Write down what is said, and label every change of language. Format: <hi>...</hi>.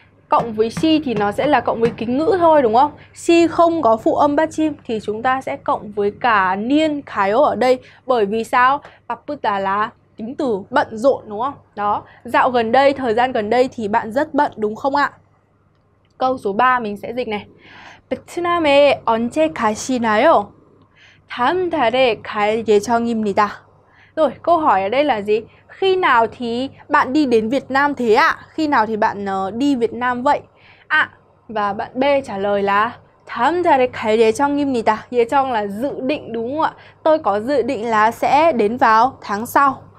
<vi>Cộng với 시 thì nó sẽ là cộng với kính ngữ thôi đúng không? 시 không có phụ âm 받침 thì chúng ta sẽ cộng với cả 니엔 가요 ở đây. Bởi vì sao? 바쁘다 là tính từ bận rộn đúng không? Đó, dạo gần đây, thời gian gần đây thì bạn rất bận đúng không ạ? Câu số 3 mình sẽ dịch này.</vi> <ko>베트남에 언제 가시나요? 다음 달에 갈 예정입니다.</ko> <vi>Rồi, câu hỏi ở đây là gì? Khi nào thì bạn đi đến Việt Nam thế ạ? Khi nào thì bạn đi Việt Nam vậy? À, và bạn B trả lời là</vi> <ko>다음 달에 갈 예정입니다.</ko> <vi>예정 là dự định đúng không ạ? Tôi có dự định là sẽ đến vào tháng sau.</vi>